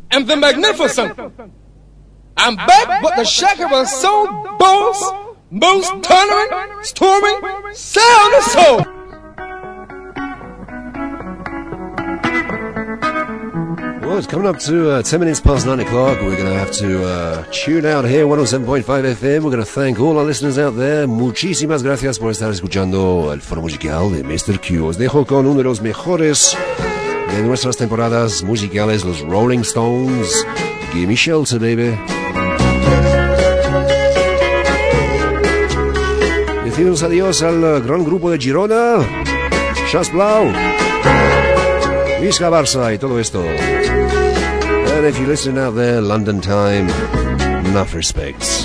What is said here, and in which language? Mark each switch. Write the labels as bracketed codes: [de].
[en] I'm back, but the shaker was so bold, most thundering, storming, sound of soul. Well, it's coming up to 10 minutes past 9 o'clock. We're going to have to tune out here, 107.5 FM. We're going to thank all our listeners out there. [es] Muchísimas gracias por estar escuchando el foro musical de Mr. Q. Os dejo con uno de los mejores de nuestras temporadas musicales, los Rolling Stones. [en] Give me shelter, baby. [es] Decimos adiós al gran grupo de Girona, Chas Blau, [ca] Visca Barça [es] y todo esto. [en] And if you listen out there, London time, enough respects.